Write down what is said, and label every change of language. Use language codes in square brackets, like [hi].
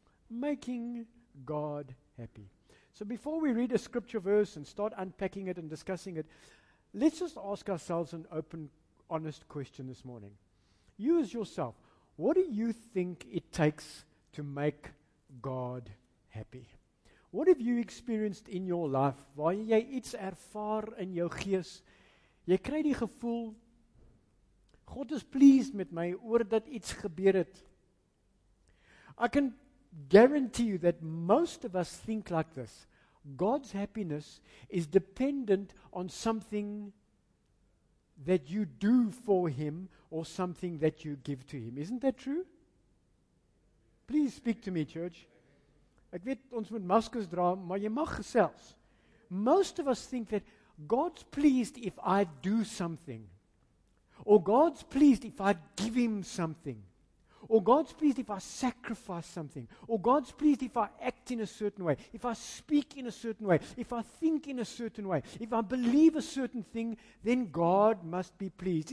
[en] Making God Happy. So before we read a scripture verse and start unpacking it and discussing it, let's just ask ourselves an open, honest question this morning. You as yourself, what do you think it takes to make God happy? What have you experienced in your life? [af] Waar jy iets ervaar in jou gees, jy kry die gevoel, [en] God is pleased [af] met my oor dat iets gebeur het. [en] I can guarantee you that most of us think like this. God's happiness is dependent on something that you do for Him or something that you give to Him. Isn't that true? Please speak to me, church. [af] Ek weet, ons moet maskers dra, maar jy mag gesels. [en] Most of us think that God's pleased if I do something. Or God's pleased if I give Him something. Or God's pleased if I sacrifice something. Or God's pleased if I act in a certain way. If I speak in a certain way. If I think in a certain way. If I believe a certain thing, then God must be pleased.